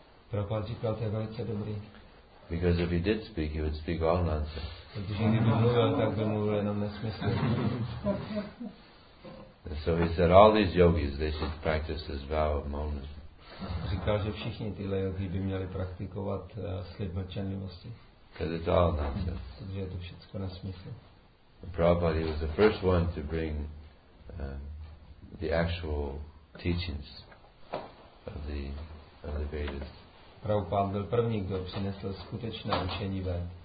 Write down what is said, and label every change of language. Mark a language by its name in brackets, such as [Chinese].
[Czech] Prabhupád říkal, to je velice dobrý. [English] Because if he did speak, he would speak all nonsense. [Czech] Protože kdyby mluvil, tak by mluvil jenom nesmysly. [English] So he said, all these yogis, they should practice this vow of monism. [Czech] Říkal, že všichni tyhle jogi by měli praktikovat slib mlčenlivosti. [English] Because it's all nonsense. [Czech] To všechno nesmysl. [English] Prabhupada was the first one to bring the actual teachings of the Vedas. [Czech] Prabhupada byl první, kdo přinesl skutečné učení Ved.